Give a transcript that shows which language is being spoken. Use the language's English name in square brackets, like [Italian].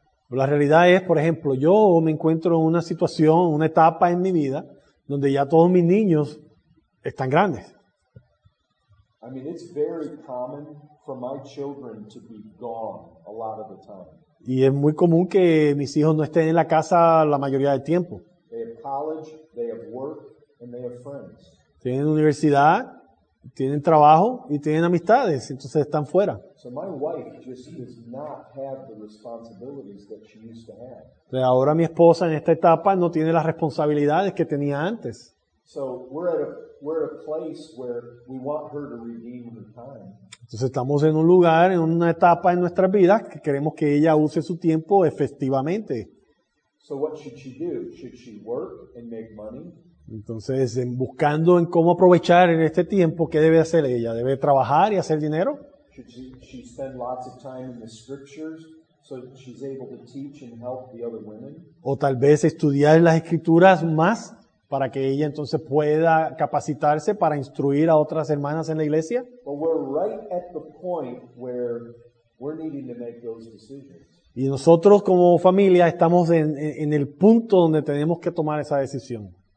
[Spanish] La realidad es, por ejemplo, yo me encuentro en una situación, una etapa en mi vida donde ya todos mis niños están grandes. [English] I mean, it's very common for my children to be gone a lot of the time. [Spanish] Y es muy común que mis hijos no estén en la casa la mayoría del tiempo. [English] They have college, they have work, and they have friends. [Spanish] Tienen universidad, tienen trabajo y tienen amistades, entonces están fuera. [English] So my wife just does not have the responsibilities that she used to have. [Spanish] Pero ahora mi esposa en esta etapa no tiene las responsabilidades que tenía antes. [English] So we're at a place where we want her to redeem her time. [Spanish] Entonces estamos en un lugar, en una etapa en nuestras vidas que queremos que ella use su tiempo efectivamente. [English] So what should she do? Should she work and make money? [Spanish] Entonces, buscando en cómo aprovechar en este tiempo, ¿qué debe hacer ella? ¿Debe trabajar y hacer dinero? [English] she spend lots of time in the scriptures so she's able to teach and help the other women? [Spanish] O tal vez estudiar las escrituras más para que ella entonces pueda capacitarse para instruir a otras hermanas en la iglesia? [English] But we're right at the point where we're needing to make those decisions. [Spanish] Y nosotros como familia estamos en el punto donde tenemos que tomar esa decisión.